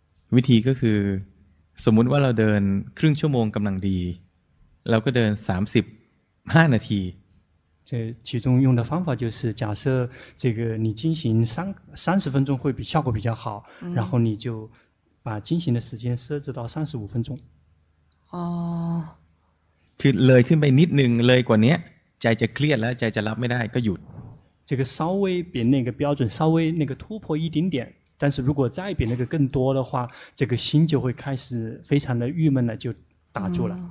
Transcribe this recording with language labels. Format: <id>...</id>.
<th>วิธีก็คือสมมุติว่าเราเดินครึ่งชั่วโมงกำลังดีเราก็เดิน35นาที</th> <zh>这其中用的方法就是假设这个你进行30分钟会比效果比较好、嗯、然后你就把进行的时间设置到35分钟哦</zh> <th>คือเลยขึ้นไปนิดนึงเลยกว่านี้ใจจะเครียดแล้วใจจะรับไม่ได้ก็หยุด</th> <zh>这个稍微比那个标准稍微那个突破一点点但是如果再比那个更多的话这个心就会开始非常的郁闷了就打住了、</zh>